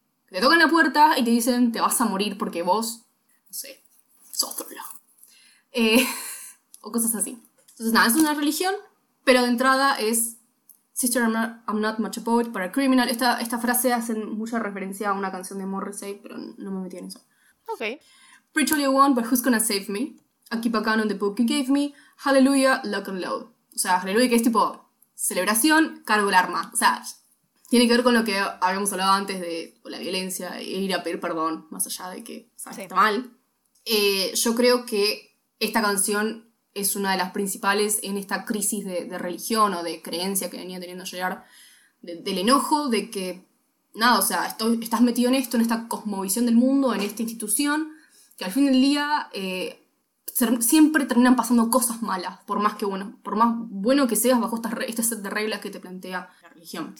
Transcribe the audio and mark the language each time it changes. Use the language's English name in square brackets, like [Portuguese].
[Spanish] Te tocan la puerta y te dicen, te vas a morir porque vos, no sé, sos trolo. O cosas así. Entonces, nada, es una religión, pero de entrada es [English] Sister, I'm not much a poet, but a criminal. [Spanish] Esta frase hace mucha referencia a una canción de Morrissey, pero no me metí en eso. Ok. [English] Preach all you want, but who's gonna save me? I keep a canon in the book you gave me. Hallelujah, lock and load. [Spanish] O sea, hallelujah, que es tipo celebración, cargo el arma. O sea, tiene que ver con lo que habíamos hablado antes de la violencia e ir a pedir perdón, más allá de que sabes, sí, está mal. Yo creo que esta canción es una de las principales en esta crisis de religión o de creencia que venía teniendo Gerard, del enojo, de que, nada, o sea, estás metido en esto, en esta cosmovisión del mundo, en esta institución, que al fin del día siempre terminan pasando cosas malas, por más bueno que seas bajo este set de reglas que te plantea la religión.